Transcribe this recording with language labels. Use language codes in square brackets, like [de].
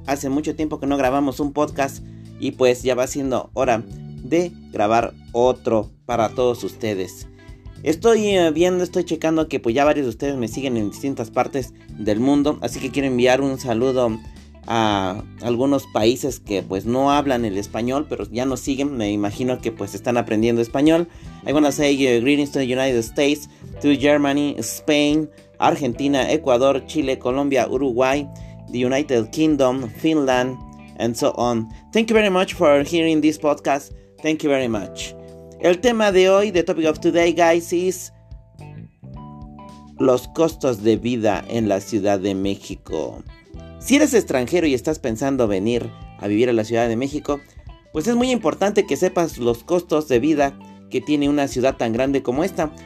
[es] Hace mucho tiempo que no grabamos un podcast y pues ya va siendo hora de grabar otro para todos ustedes. Estoy checando que pues ya varios de ustedes me siguen en distintas partes del mundo, así que quiero enviar un saludo a algunos países que pues no hablan el español, pero ya nos siguen. Me imagino que pues están aprendiendo español. [en] I wanna say greetings to the United States, to Germany, Spain, Argentina, Ecuador, Chile, Colombia, Uruguay, the United Kingdom, Finland, and so on. Thank you very much for hearing this podcast. Thank you very much. [es] El tema de hoy, [en] the topic of today, guys, is [es] los costos de vida en la Ciudad de México. Si eres extranjero y estás pensando venir a vivir a la Ciudad de México, pues es muy importante que sepas los costos de vida que tiene una ciudad tan grande como esta.